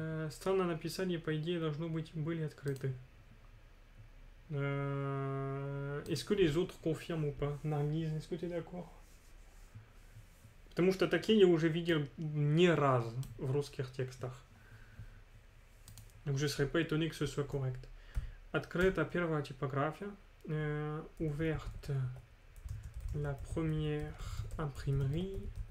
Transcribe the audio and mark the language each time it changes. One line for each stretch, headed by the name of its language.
Russian: Странно написание, по идее, должно быть, были открыты.
French: Est-ce que les autres confirment ou pas? Narguise, est-ce que tu es d'accord?
Russian: Потому что такие я уже видел не раз в русских текстах.
French: Donc je ne serais pas étonné que ce soit correct.
Russian: Открыта первая типография.
French: Ouverte la première imprimerie.